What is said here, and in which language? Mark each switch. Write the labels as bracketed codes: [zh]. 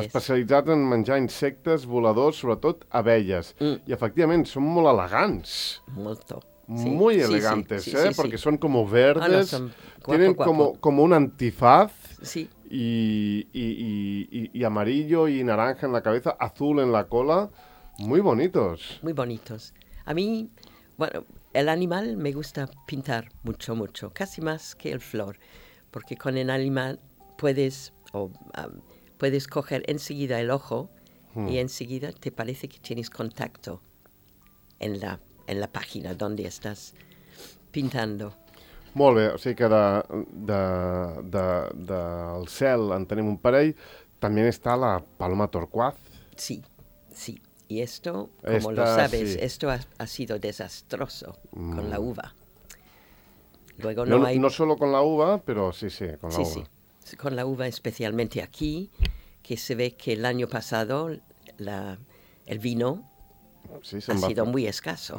[ca] Especialitzat en menjar insectes voladors, sobretot abelles. Mm. I, efectivament, són molt elegants. [it] Molto. [es] Sí. Muy elegantes, sí, sí. Sí, sí, [ca] perquè són com verdes. Ah, no, són guapo, tenen com un antifaz. Sí. [es] Y amarillo y naranja en la cabeza, azul en la cola, muy bonitos. Muy bonitos. A mí, bueno, el animal me gusta pintar mucho, mucho, casi más que el flor, porque con el animal puedes, puedes coger enseguida el ojo y enseguida te parece que tienes contacto en la página donde estás pintando. [ca] Molt bé, o sigui que del cel en tenim un parell. També està la paloma torquaz. [es] Sí, sí. Y esto, como lo sabes, sí, esto ha sido desastroso con la uva. Luego no, hay... no solo con la uva, pero sí, sí, con la uva. Sí, sí, con la uva especialmente aquí, que se ve que el año pasado el vino sido muy escaso.